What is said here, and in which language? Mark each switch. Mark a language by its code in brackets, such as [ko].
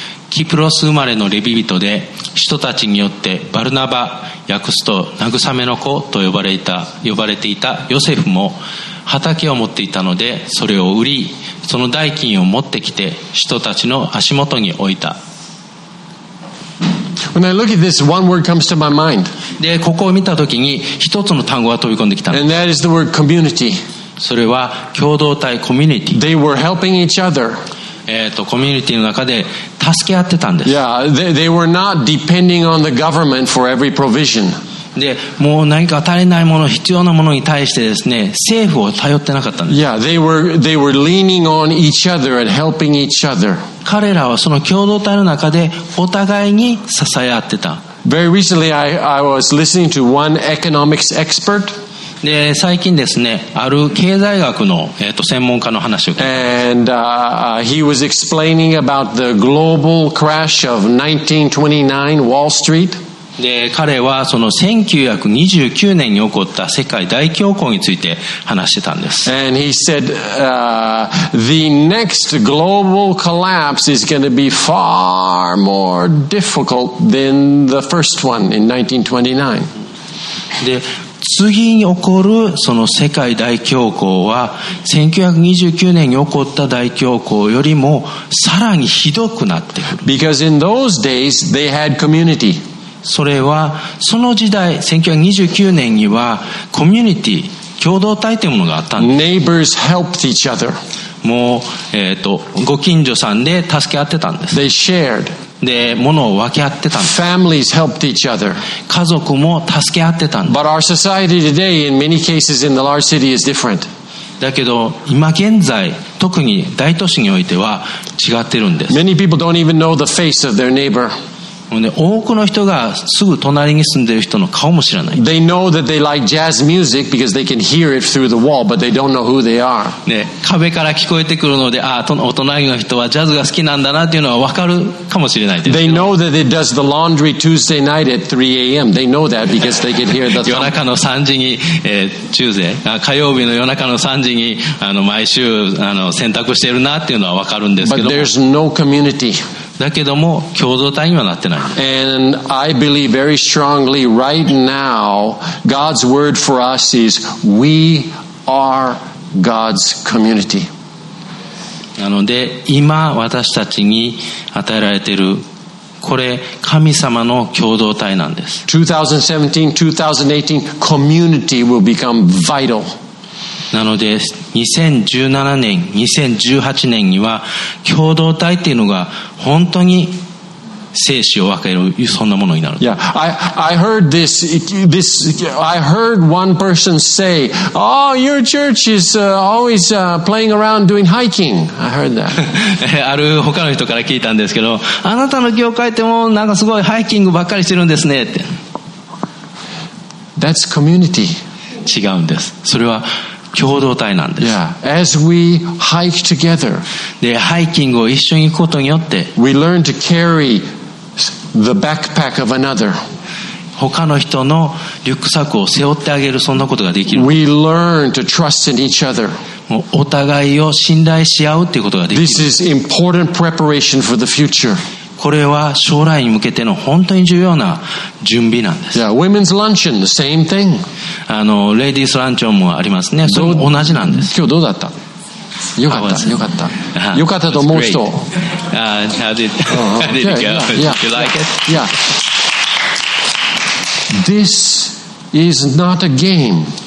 [ja] キプロス生まれのレビ人で人たちによってバルナバ訳すと慰めの子と呼ばれていたヨセフも畑を持っていたのでそれを売りその代金を持ってきて人たちの足元に置いた [en] When I look at this, one word comes to my mind. [ja] で、ここを見たときに一つの単語が飛び込んできたんです。 [en] And that is the word community. [ja] それは共同体、community. [en] They were helping each other. [ja] コミュニティの中で助け合ってたんです。 [en] Yeah, they were not depending on the government for every provision. [ja] で、もう何か足りないもの、必要なものに対してですね、政府を頼ってなかったんです。 [en] Yeah, they were leaning on each other and helping each other. [ja] 彼らはその共同体の中でお互いに支え合ってた。 [en] Very recently, I was listening to one economics expert. [ja] で、最近ですね、ある経済学の、専門家の話を聞いた。 [en] And he was explaining about the global crash of 1929 Wall Street. [ja] で彼はその1929年に起こった世界大恐慌について話してたんです。 [en] And he said, the next global collapse is going to be far more difficult than the first one in 1929. [ja] で、次に起こるその世界大恐慌は1929年に起こった大恐慌よりもさらにひどくなってくる。 [en] Because in those days they had community. [ja] それはその時代1929年にはコミュニティ共同体というものがあったんです。 [en] Neighbors helped each other. [ja] もうご近所さんで助け合ってたんです。 [en] They shared. [ja] で物を分け合ってたんです。 [en] Families helped each other. [ja] 家族も助け合ってたんです。 [en] But our society today, in many cases in the large city, is different. [ja] だけど今現在特に大都市においては違ってるんです。 [en] Many people don't even know the face of their neighbor. [ja] 多くの人がすぐ隣に住んでる人の顔も知らない。 [en] They know that they like jazz music because they can hear it through the wall, but they don't know who they are. [ja] ね、壁から聞こえてくるので、ああ、お隣の人はジャズが好きなんだなっていうのは分かるかもしれないですけど。 [en] They know that it does the laundry Tuesday night at 3 a.m. They know that because they can hear the thump. [ja] 夜中の3時に、火曜日の夜中の3時に、毎週、洗濯してるなっていうのは分かるんですけど。 [en] But there's no community. [ja] だけども共同体にはなってない。 [en] And I believe very strongly right now God's word for us is we are God's community. [ja] なので今私たちに与えられているこれ神様の共同体なんです。 [en] 2017-2018 community will become vital. [ja] なので2017年2018年には共同体っていうのが本当に生死を分けるそんなものになる。 [en] Yeah, I heard this I heard one person say, oh, your church is always playing around doing hiking. I heard that. [ja] ある他の人から聞いたんですけど、あなたの教会ってもなんかすごいハイキングばっかりしてるんですねって。 [en] That's community. [ja] 違うんです。それは共同体なんです。 [en] Yeah. As we hike together, [ja] で、ハイキングを一緒に行くことによって、 [en] we learn to carry the backpack of another. [ja] 他の人のリュックサックを背負ってあげるそんなことができる。 [en] We learn to trust in each other. [ja] お互いを信頼し合うっていうことができる。 [en] This is important preparation for the future. [ja] これは将来に向けての本当に重要な準備なんです。 [en] Yeah, women's luncheon, the same thing. [ja] レディースランチョンもありますね。それも同じなんです。今日どうだった？よかった、よかった。よかったと思う人。 [en] How did it go? You like it? Yeah. This is not a game.